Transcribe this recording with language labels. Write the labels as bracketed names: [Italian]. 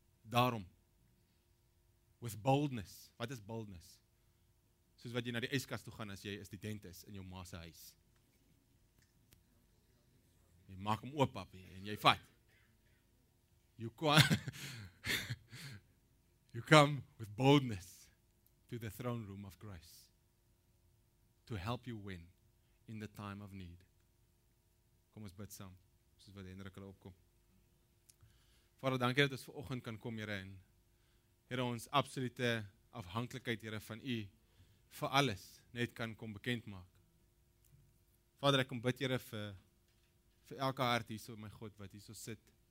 [Afrikaans] Daarom, [English] with boldness, [Afrikaans] wat is boldness? Soos wat jy na die yskas toe gaan as jy 'n student is in jou ma se huis. Jy maak hom oop, papie, en jy vat. [English] You come with boldness to the throne room of Christ to help you win in the time of need. [Afrikaans] Kom ons bid saam, soos wat Hendrik hulle opkom. Vader, dankie dat ons vanoggend kan kom, Here, en Here, ons absolute afhanklikheid, Here, van U vir alles net kan kom bekend maak. Vader, ek kom bid, Here, vir elke hart hier so, my God, wat hier so sit.